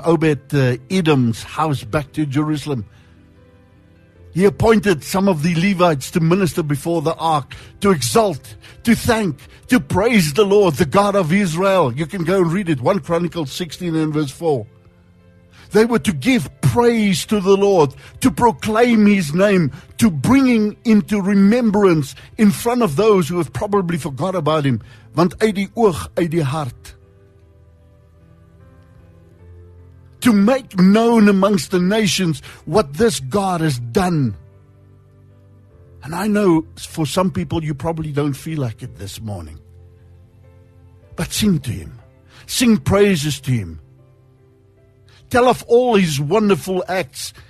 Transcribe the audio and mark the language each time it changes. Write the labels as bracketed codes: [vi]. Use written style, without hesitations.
[en] Obed-Edom's house back to Jerusalem. He appointed some of the Levites to minister before the Ark, to exalt, to thank, to praise the Lord, the God of Israel. You can go and read it, 1 Chronicles 16 and verse 4. They were to give praise to the Lord, to proclaim His name, to bring Him into remembrance in front of those who have probably forgot about Him. [af] Want uit die oog, uit die hart. [en] To make known amongst the nations what this God has done. And I know for some people you probably don't feel like it this morning. But sing to Him. Sing praises to Him. Tell of all His wonderful acts.